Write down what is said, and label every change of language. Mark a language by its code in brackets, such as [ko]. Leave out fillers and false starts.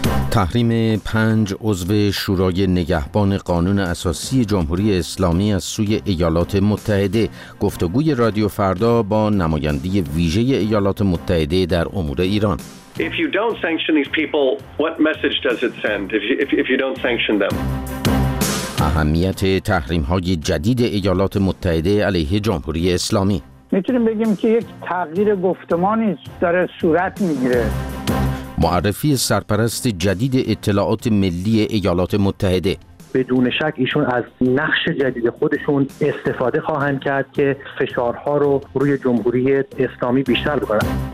[fa] تحریم 5 عضو شورای نگهبان قانون اساسی جمهوری اسلامی از سوی ایالات متحده، گفتگوی رادیو فردا با نماینده ویژه ایالات متحده در امور ایران. [en] If you don't sanction these people, what message does it send if you don't sanction them? [fa] اهمیت تحریم‌های جدید ایالات متحده علیه جمهوری اسلامی. میتونیم بگیم که یک تغییر گفتمانی داره صورت میگیره. معرفی سرپرست جدید اطلاعات ملی ایالات متحده. بدون شک ایشون از نقش جدید خودشون استفاده خواهند کرد که فشارها رو روی جمهوری اسلامی بیشتر بکنند.